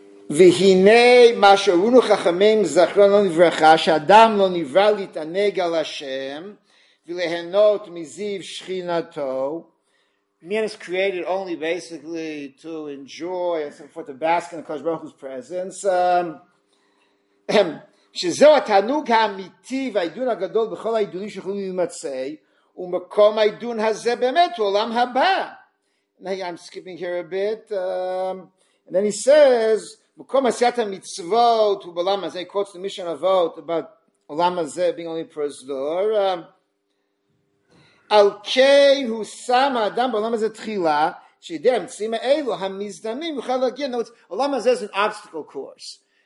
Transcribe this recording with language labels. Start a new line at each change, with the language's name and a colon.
Hebrew: והנה מה שאומרו חכמים זכרונם לברכה שאדם לא נברא להתענג על השם וליהנות מזיו שכינתו.
English: Man is created only basically to enjoy and so forth, to bask in the Kadosh Baruch Hu's presence.
Hebrew: שזהו התענוג האמיתי והעידון הגדול בכל העידונים שיכולים להימצא, ומקום העידון הזה באמת הוא עולם הבא.
English: Now, I'm skipping here a bit. And then he says,
Hebrew: מקום עשיית המצוות הוא בעולם הזה,
English: he quotes the mission of vote about עולם הזה being only פרוזדור.
Hebrew: על כן הוא שם האדם בעולם הזה תחילה, שידי המציאים האלו, המזדמים, יוכל להגיע, no, עולם הזה
English: is an obstacle course.